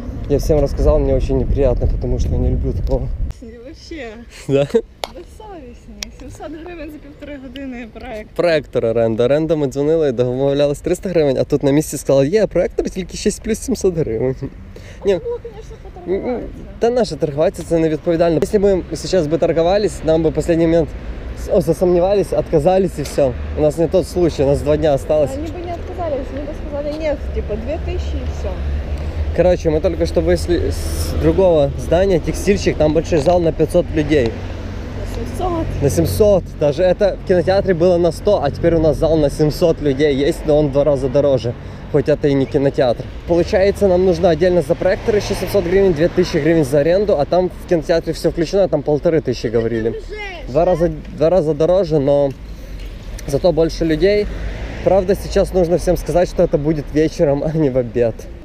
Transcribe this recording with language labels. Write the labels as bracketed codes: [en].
[ru] Я всем рассказал, мне очень неприятно, потому что я не люблю такого. Вообще. Да? Бессовестнее. 700 гривен за 1.5 години проектор. Проектор аренда. Аренда мы дзвонили и договорились 300 гривен, а тут на месте сказали, что есть проектор, только 6 плюс 700 гривен. Ні, ну, конечно, [uk] та наше торгуватися це не відповідально. Якщо б ми зараз би торгувались, нам би останній момент засумнівалися, відказались і все. У нас не той случай, у нас 2 дні залишилося. Вони б не відказались, вони б сказали, ні, типу, 2000 і все. Коротше, ми тільки що вийшли з другого здання, текстильщик, там більший зал на 500 людей. На 700. На 700. Навіть в кінотеатрі було на 100, а тепер у нас зал на 700 людей є, але він в 2 рази дорожче. [ru] Хоть это и не кинотеатр. Получается, нам нужно отдельно за проектор еще 700 гривен, 2000 гривен за аренду, а там в кинотеатре все включено, там 1500 говорили. Два раза дороже, но зато больше людей. Правда, сейчас нужно всем сказать, что это будет вечером, а не в обед.